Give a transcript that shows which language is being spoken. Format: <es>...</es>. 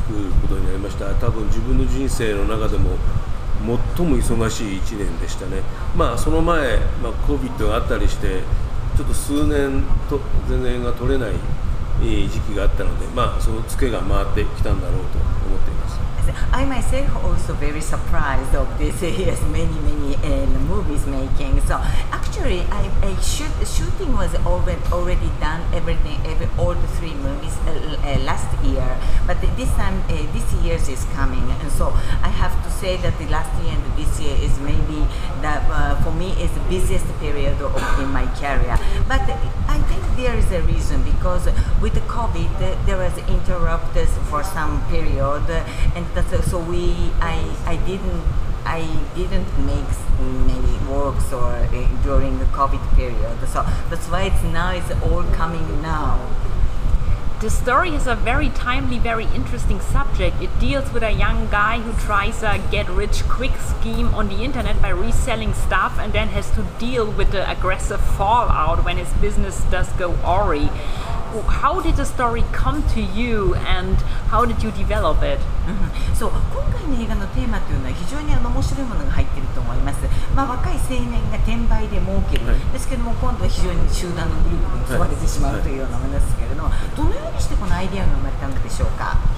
<ja>今回今年はなんかすごく多作なんですけど、どっちでなって、私が間違いがなければ今回のサンフォルメの制作の映画ということで、サン・セバスチャンとか他の映画祭とかもいろんなところに出してるってありますけれども、すごいですね。常について何か思ったのが。いや、自分でも驚いています。昨年すべて昨年作ったんですけども、3本作ることになりました。多分自分の人生の中でも最も忙しい1年でしたね。まあその前、まあCOVIDがあったりして、ちょっと数年と全然が撮れない時期があったので、まあその付けが回ってきたんだろうと思っています。</ja> <en>I myself also very surprised of this year's many movies making. So actually, shooting was already done all the three movies last year. But this time, this year's is coming. And so I have to say that the last year and this year is maybe that for me is the busiest period in my career. But I think there is a reason, because with the COVID there was interrupted for some period, and that's so we I didn't make many works or during the COVID period, so that's why it's now it's all coming now. The story is a very timely, very interesting subject. It deals with a young guy who tries a get-rich-quick scheme on the internet by reselling stuff, and then has to deal with the aggressive fallout when his business does go awry. How did the story come to you, and how did you develop it? So,</en> <ja>今回の映画のテーマというのは非常に面白いものが入っていると思います。まあ、若い青年が転売で儲ける。ですけども、今度は非常に集団のグループに襲われてしまうというような話ですけれども、どのようにしてこのアイデアが生まれたのでしょうか。</ja>